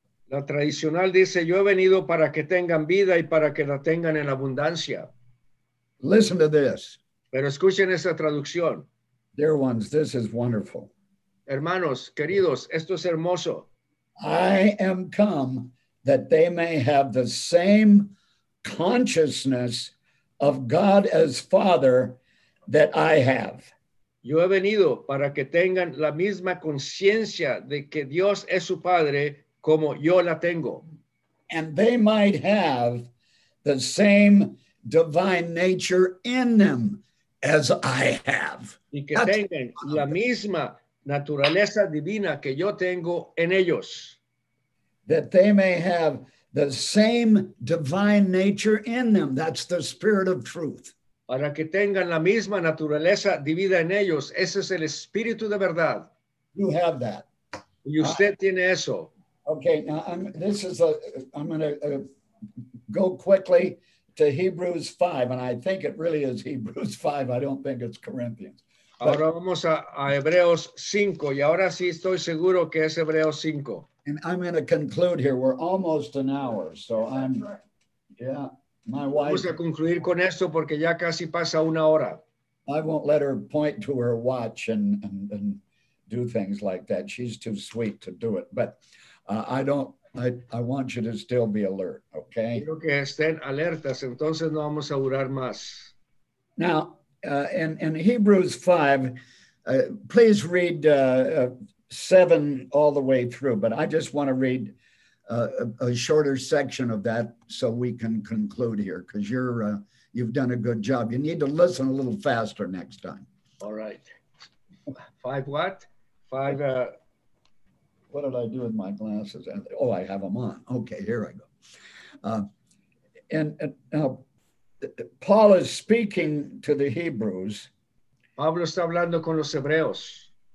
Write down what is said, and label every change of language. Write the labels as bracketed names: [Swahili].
[Spanish] La tradicional dice, yo he venido para que tengan vida y para que la tengan en abundancia. [English] Listen to this. [Spanish] Pero escuchen esa traducción. [English] Dear ones, this is wonderful. [Spanish] Hermanos, queridos, esto es hermoso. [English] I am come that they may have the same consciousness of God as Father that I have. [Spanish] Yo he venido para que tengan la misma conciencia de que Dios es su Padre como yo la tengo. [English] And they might have the same divine nature in them as I have. [Spanish] Y que tengan la misma naturaleza divina que yo tengo en ellos. [English] That they may have the same divine nature in them. That's the Spirit of Truth. [Spanish] Para que tengan la misma naturaleza divina en ellos. Ese es el Espíritu de verdad. [English] You have that. [Spanish] Y usted tiene eso. [English] Okay, now I'm going to go quickly to Hebrews 5, and I think it really is Hebrews 5. I don't think it's Corinthians. [Spanish] Ahora vamos a Hebreos 5, y ahora sí estoy seguro que es Hebreos 5. [English] And I'm going to conclude here. We're almost an hour, so I'm, yeah, my wife. [Spanish] Vamos a concluir con esto porque ya casi pasa una hora. [English] I won't let her point to her watch and do things like that. She's too sweet to do it, but I want you to still be alert, okay? [Spanish] Quiero que estén alertas, entonces no vamos a durar más. [English] Now, in Hebrews 5, please read 7 all the way through, but I just want to read a shorter section of that so we can conclude here, because you've done a good job. You need to listen a little faster next time. All right. Five what? Five. What did I do with my glasses? Oh, I have them on. Okay, here I go. And now, Paul is speaking to the Hebrews. [Spanish] Pablo está hablando con los Hebreos.